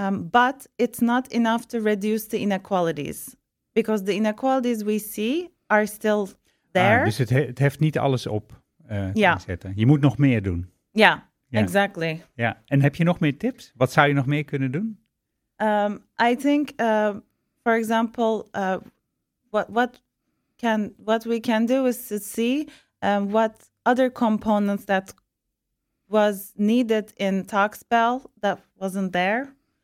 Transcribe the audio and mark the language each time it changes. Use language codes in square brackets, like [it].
[en] But it's not enough to reduce the inequalities. Because the inequalities we see are still there. [nl] Dus het heft niet alles op. Zetten. Je moet nog meer doen. [en] Ja, exactly. [nl] Ja. En heb je nog meer tips? Wat zou je nog meer kunnen doen? [en] I think, for example, what we can do is to see what other components that was needed in Talkspell that wasn't there.